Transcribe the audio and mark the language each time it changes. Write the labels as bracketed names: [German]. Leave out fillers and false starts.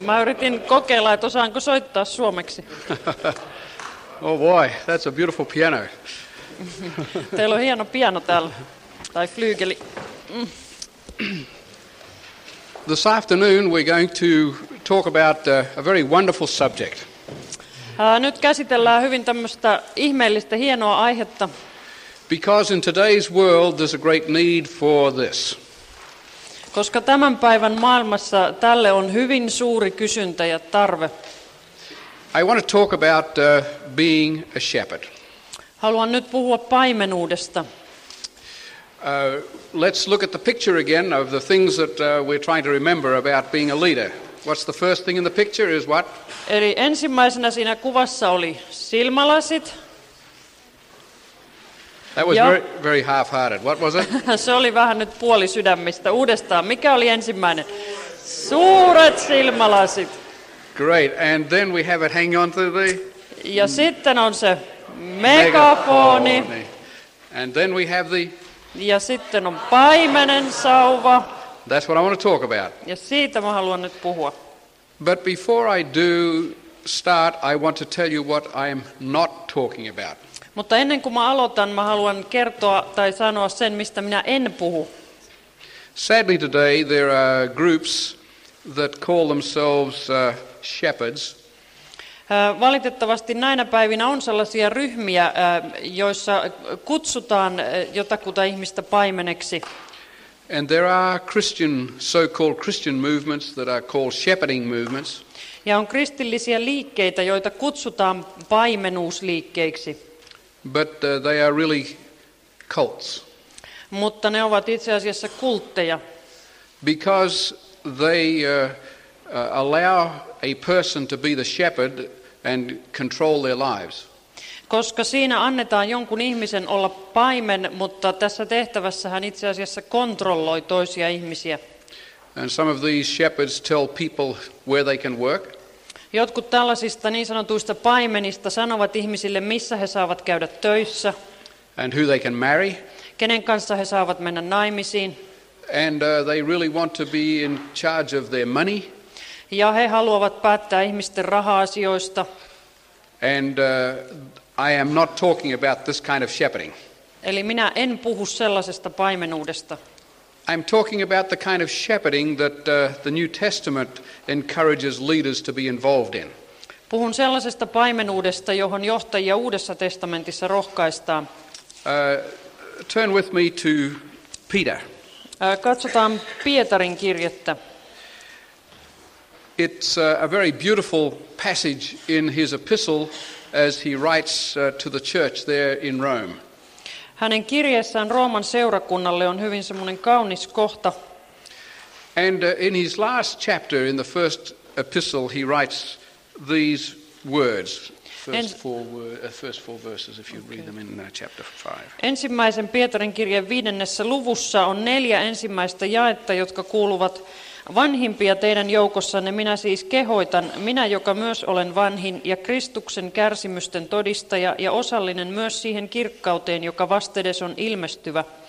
[Finnish] Mä yritin kokeilla, että osaanko soittaa suomeksi. [English] Oh boy, that's a beautiful piano. [Finnish] Teillä on hieno piano täällä, tai flyygeli. [English] This afternoon we're going to talk about a very wonderful subject. [Finnish] Nyt käsitellään hyvin tämmöistä ihmeellistä, hienoa aihetta. [English] Because in today's world there's a great need for this. [Finnish] Koska tämän päivän maailmassa tälle on hyvin suuri kysyntä ja tarve. [English] I want to talk about being a shepherd. [Finnish] Haluan nyt puhua paimenuudesta. [English] Let's look at the picture again of the things that we're trying to remember about being a leader. What's the first thing in the picture is what? [Finnish] Eli ensimmäisenä siinä kuvassa oli silmälasit. [English] That was very half-hearted. What was it? [Finnish] Se oli vähän nyt puoli sydämistä. Uudestaan. Mikä oli ensimmäinen? Suuret silmälasit. [English] Great. And then we have it hang on to the... [Finnish] Ja sitten on se megafoni. [English] And then we have the... [Finnish] Ja sitten on paimenen sauva. [English] That's what I want to talk about. [Finnish] Ja siitä mä haluan nyt puhua. [English] But before I do start, I want to tell you what I am not talking about. [Finnish] Mutta ennen kuin mä aloitan, mä haluan kertoa tai sanoa sen, mistä minä en puhu. [English] Sadly today there are groups that call themselves shepherds. [Finnish] Valitettavasti näinä päivinä on sellaisia ryhmiä, joissa kutsutaan jotakuta ihmistä paimeneksi. [English] And there are Christian, so-called Christian movements that are called shepherding movements. [Finnish] Ja on kristillisiä liikkeitä, joita kutsutaan paimenuusliikkeiksi. [English] But they are really cults. [Finnish] Mutta ne ovat itse asiassa kultteja. [English] Because they allow a person to be the shepherd and control their lives. [Finnish] Koska siinä annetaan jonkun ihmisen olla paimen, mutta tässä tehtävässä hän itse asiassa kontrolloi toisia ihmisiä. [English] And some of these shepherds tell people where they can work. [Finnish] Jotkut tällaisista niin sanotuista paimenista sanovat ihmisille, missä he saavat käydä töissä. [English] And who they can marry. [Finnish] Kenen kanssa he saavat mennä naimisiin. [English] And they really want to be in charge of their money. [Finnish] Ja he haluavat päättää ihmisten raha-asioista. [English] And I am not talking about this kind of shepherding. [Finnish] Eli minä en puhu sellaisesta paimenuudesta. [English] I'm talking about the kind of shepherding that the New Testament encourages leaders to be involved in. [Finnish] Puhun sellaisesta paimenuudesta, johon johtajia Uudessa testamentissa rohkaistaan. [English] Turn with me to Peter. [Finnish] Katsotaan Pietarin kirjettä. [English] It's a very beautiful passage in his epistle as he writes to the church there in Rome. [Finnish] Hänen kirjeessään Rooman seurakunnalle on hyvin semmoinen kaunis kohta. [English] And in his last chapter in the first epistle he writes these words. First four verses if you read them in chapter 5. [Finnish] Ensimmäisen Pietarin kirjeen viidennessä luvussa on neljä ensimmäistä jaetta, jotka kuuluvat: vanhimpia teidän joukossanne minä siis kehoitan, minä joka myös olen vanhin ja Kristuksen kärsimysten todistaja ja osallinen myös siihen kirkkauteen, joka vastedes on ilmestyvä.